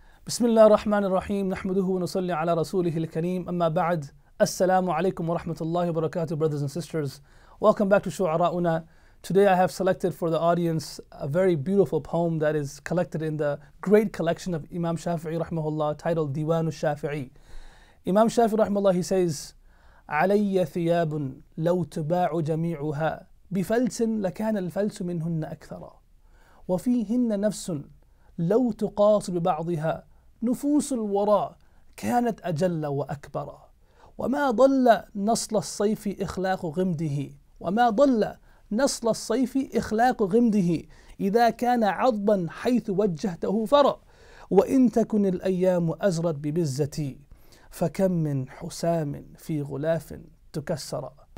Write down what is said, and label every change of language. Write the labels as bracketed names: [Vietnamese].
[Arabic] بسم الله الرحمن الرحيم نحمده ونصلي على رسوله الكريم أما بعد السلام عليكم ورحمة الله وبركاته [English] brothers and sisters welcome back to Shuarauna. Today I have selected for the audience a very beautiful poem that is collected in the great collection of Imam Shafi رحمه الله titled Diwan al-Shafi'i. [Arabic] Imam Shafi رحمه الله [English] he says [Arabic] علي ثياب لو تباع جميعها بفلس لكان الفلس منهن أكثر وفيهن نفس لو تقاس ببعضها نفوس الورى كانت أجل وأكبر وما ضل نصل الصيف إخلاق غمده وما ضل نصل الصيف إخلاق غمده إذا كان عضبا حيث وجهته فرى وإن تكن الأيام أزرت ببزتي فكم من حسام في غلاف تكسر